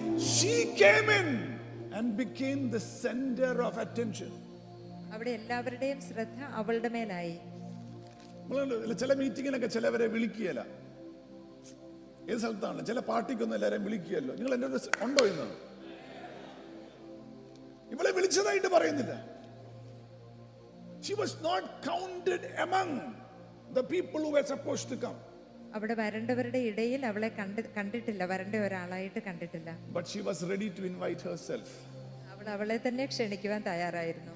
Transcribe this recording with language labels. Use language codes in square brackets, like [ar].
[en] She came in and became the center of attention. [ml] അവിടെ എല്ലാവരുടെയും ശ്രദ്ധ അവളുടെ മേലായി. ചില മീറ്റിങ്ങിനൊക്കെ ചിലവരെ വിളിക്കുകയല്ല. ഏത് സ്ഥലത്താണ്? ചില പാർട്ടിക്കൊന്നും എല്ലാവരെയും വിളിക്കുകയല്ലോ. നിങ്ങൾ എന്റെ ഉണ്ടോ ഇന്ന്? ഇവളെ വിളിച്ചതായിട്ട് പറയുന്നില്ല. [en] She was not counted among the people who were supposed to come. [ml] അവിടെ വരേണ്ടവരുടെ ഇടയിൽ അവളെ കണ്ടിട്ടില്ല, വരേണ്ട ഒരാളായിട്ട് കണ്ടിട്ടില്ല. [en] But she was ready to invite herself. [ml] അവൾ അവളെ തന്നെ ക്ഷണിക്കാൻ തയ്യാറായിരുന്നു.